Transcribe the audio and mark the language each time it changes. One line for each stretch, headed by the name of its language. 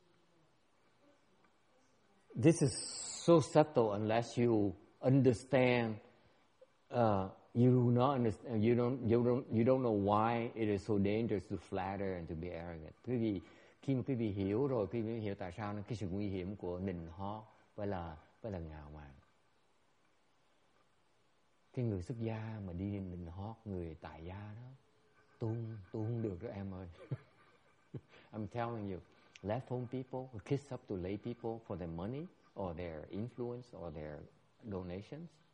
Chinese: 为什么?
English: This is so subtle unless you understand you don't know why it is so dangerous to flatter and to be arrogant.
Vietnamese: Quý vị, khi mà quý vị hiểu rồi, quý vị hiểu tại sao nó cái sự nguy hiểm của nịnh hó với là ngạo mạn. Cái người xuất gia mà đi nịnh hó, người tại gia đó, tu không được đó em ơi.
English: I'm telling you, let phone people kiss up to lay people for their money or their influence or their donations.